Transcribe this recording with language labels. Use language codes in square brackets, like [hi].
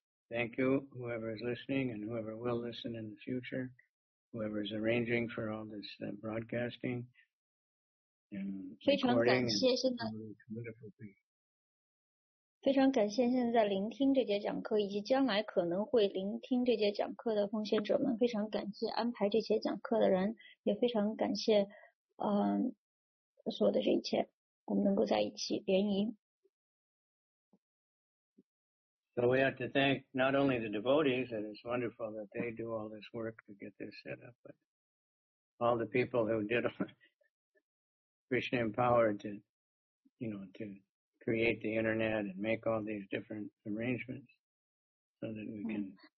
[en] Thank you, whoever is listening and whoever will listen in the future, whoever is arranging for all this broadcasting and recording. And all these wonderful people. [zh] 非常感谢现在聆听这节讲课，以及将来可能会聆听这节讲课的奉献者们。非常感谢安排这节讲课的人， 也非常感谢 所有的这一切， 我们能够在一起联谊。 [en] So we have to thank not only the devotees, and it's wonderful that they do all this work to get this set up, but all the people who did Krishna empowered to, you know, to create the internet and make all these different arrangements so that we can.